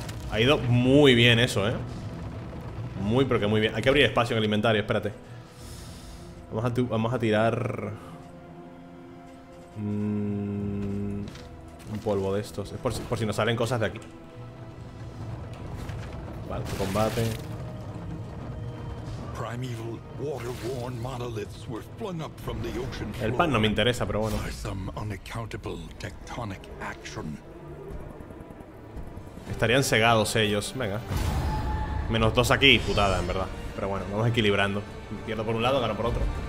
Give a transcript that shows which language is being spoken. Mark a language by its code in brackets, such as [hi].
[es] Ha ido muy bien eso, ¿eh? Muy, pero que muy bien. Hay que abrir espacio en el inventario, espérate. Vamos a tirar... un polvo de estos. Es por si nos salen cosas de aquí. Vale, combate. [en] Primeval, water-worn monoliths were flung up from the ocean floor. [es] El pan no me interesa, pero bueno. [en] By some unaccountable tectonic action. [es] Estarían cegados ellos. Venga. Menos dos aquí, putada, en verdad. Pero bueno, vamos equilibrando. Pierdo por un lado, gano por otro.